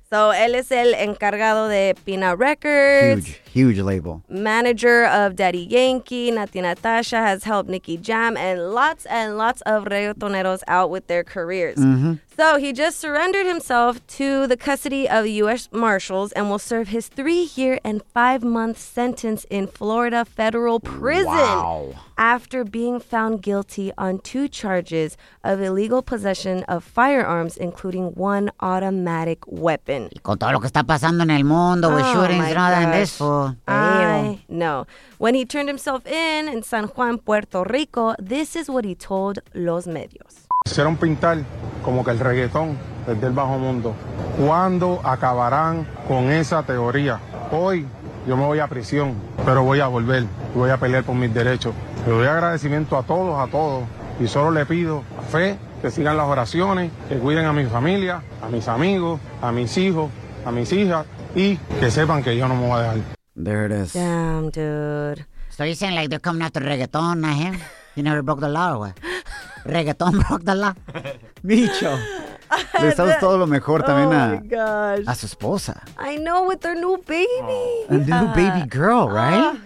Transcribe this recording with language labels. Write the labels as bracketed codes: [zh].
[es] So, él es el encargado de Pina Records. [en] Huge, huge label. Manager of Daddy Yankee. Nati Natasha has helped Nicky Jam and lots of reggaetoneros out with their careers. Mm-hmm. So, he just surrendered himself to the custody of U.S. Marshals and will serve his 3-year and 5-month sentence in Florida federal prison. Wow. After being found guilty on 2 charges of illegal possession of firearms, including 1 automatic weapon. [es] Y con todo lo que está pasando en el mundo, [en] with shootings and all that, [es] eso. [en] I know. When he turned himself in San Juan, Puerto Rico, this is what he told Los Medios. [es] Hicieron pintar como que el reggaetón es del bajo mundo. ¿Cuándo acabarán con esa teoría? Hoy yo me voy a prisión, pero voy a volver. Voy a pelear por mis derechos. Le doy agradecimiento a todos. Y solo le pido fe, que sigan las oraciones, que cuiden a mi familia, a mis amigos, a mis hijos, a mis hijas. Y que sepan que yo no me voy a dejar. [en] There it is. Damn, dude. So you're saying like they're coming after reggaetón, not him? You never broke the law or what? Reggaeton broke the law. [es] Micho. Le estamos todo lo mejor también a su esposa. [en] I know, with their new baby. Oh. A new baby girl, right?